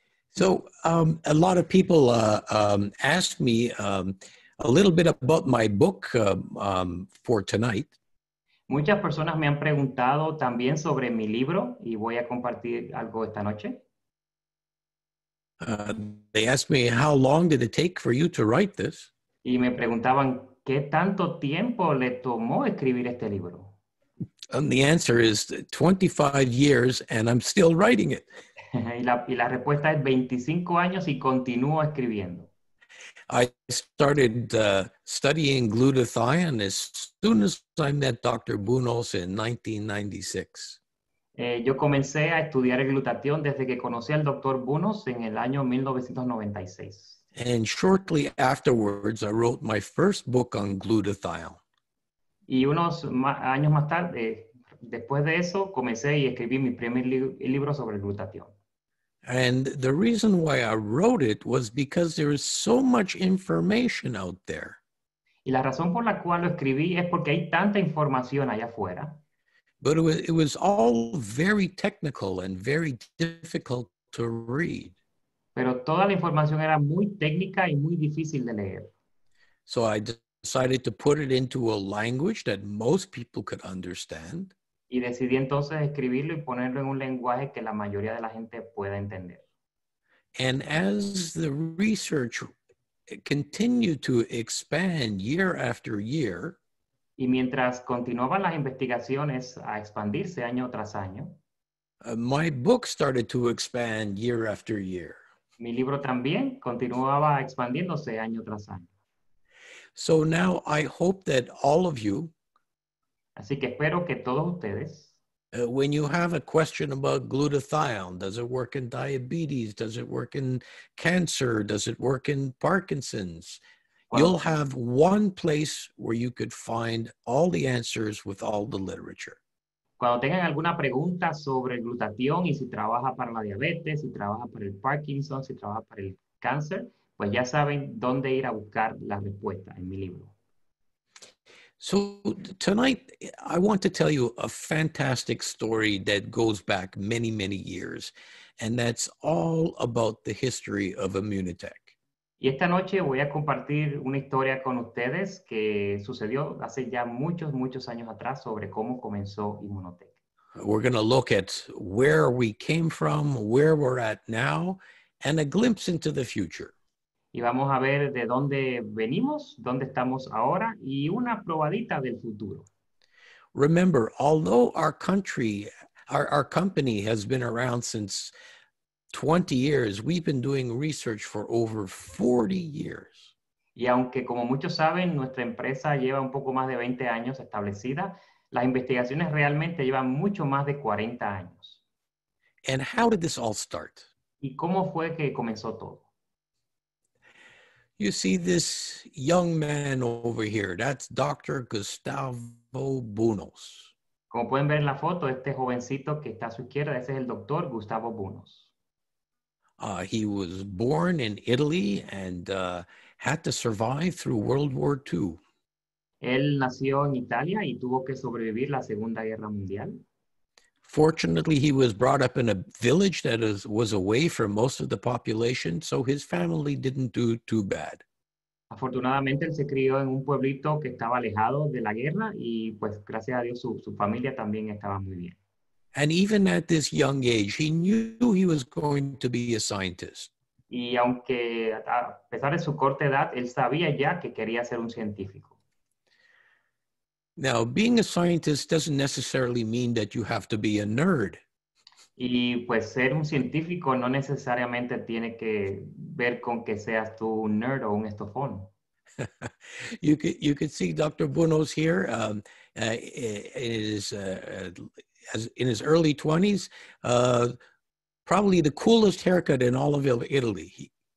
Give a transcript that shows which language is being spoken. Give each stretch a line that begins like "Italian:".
English: So, a lot of people asked me a little bit about my book for tonight.
Spanish: Muchas personas me han preguntado también sobre mi libro y voy a compartir algo esta noche.
English: They asked me how long did it take for you to write this?
Spanish: Y me preguntaban qué tanto tiempo le tomó escribir este libro.
English: And the answer is 25 years, and I'm still writing it.
Spanish: Y la respuesta es 25 años y continúo escribiendo.
English: I started studying glutathione as soon as I met Dr. Bounus in 1996.
Spanish: Yo comencé a estudiar el glutatión desde que conocí al doctor Bounus en el año 1996.
English: And shortly afterwards, I wrote my first book on glutathione.
Spanish: Y unos ma años más tarde, después de eso, comencé y escribí mi primer libro sobre el glutatión.
English: And the reason why I wrote it was because there is so much information out there.
Spanish: Y la razón por la cual lo escribí es porque hay tanta información allá afuera.
English: but it was all very technical and very difficult to read.
Spanish: Pero toda la información era muy técnica y muy difícil de leer.
English: So I decided to put it into a language that most people could understand.
Spanish: Y decidí entonces escribirlo y ponerlo en un lenguaje que la mayoría de la gente pueda entender.
English: And as the research continued to expand year after year,
Spanish: y mientras continuaban las investigaciones a expandirse año tras año,
English: my book started to expand year after year.
Spanish: Mi libro también continuaba expandiéndose año tras año.
English: So now I hope that all of you,
Spanish: así que espero que todos ustedes,
English: when you have a question about glutathione, does it work in diabetes? Does it work in cancer? Does it work in Parkinson's? You'll have one place where you could find all the answers with all the literature.
Spanish: Cuando tengan alguna pregunta sobre el glutatión y si trabaja para la diabetes, si trabaja para el Parkinson, si trabaja para el cáncer, pues ya saben dónde ir a buscar la respuesta en mi libro.
English: So tonight I want to tell you a fantastic story that goes back many, many years, and that's all about the history of Immunotech.
Spanish: Y esta noche voy a compartir una historia con ustedes que sucedió hace ya muchos, muchos años atrás sobre cómo comenzó Immunotech.
English: We're going to look at where we came from, where we're at now, and a glimpse into the future.
Spanish: Y vamos a ver de dónde venimos, dónde estamos ahora, y una probadita del futuro.
English: Remember, although our country, our company has been around since 20 years, we've been doing research for over 40 years.
Spanish: Y aunque como muchos saben, nuestra empresa lleva un poco más de 20 años establecida, las investigaciones realmente llevan mucho más de 40 años.
English: And how did this all start?
Spanish: ¿Y cómo fue que comenzó todo?
English: You see this young man over here, that's Dr. Gustavo Bounus.
Spanish: Como pueden ver en la foto, este jovencito que está a su izquierda, ese es el Dr. Gustavo Bounus.
English: He was born in Italy and had to survive through World War II.
Spanish: Él nació en Italia y tuvo que sobrevivir la Segunda Guerra Mundial.
English: Fortunately, he was brought up in a village that was away from most of the population, so his family didn't do too bad.
Spanish: Afortunadamente, él se crió en un pueblito que estaba alejado de la guerra y pues gracias a Dios su familia también estaba muy bien.
English: And even at this young age, he knew he was going to be a scientist.
Spanish: Y aunque a pesar de su corta edad, él sabía ya que quería ser un científico.
English: Now, being a scientist doesn't necessarily mean that you have to be a nerd.
Spanish: Y pues ser un científico no necesariamente tiene que ver con que seas tú un nerd o un estofón.
English: You could see Dr. Bounus here in his early 20s, probably the coolest haircut in all of Italy.